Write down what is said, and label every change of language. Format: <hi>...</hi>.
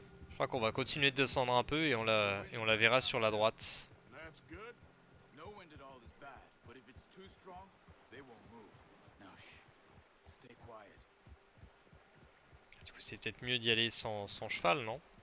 <fr>Je crois qu'on va continuer de descendre un peu et on la verra sur la droite.</fr> <en>No wind at all is bad, but if it's too strong, they won't move. Now shh. Stay quiet.</en> <fr>Du coup, c'est peut-être mieux d'y aller sans cheval, non?</fr>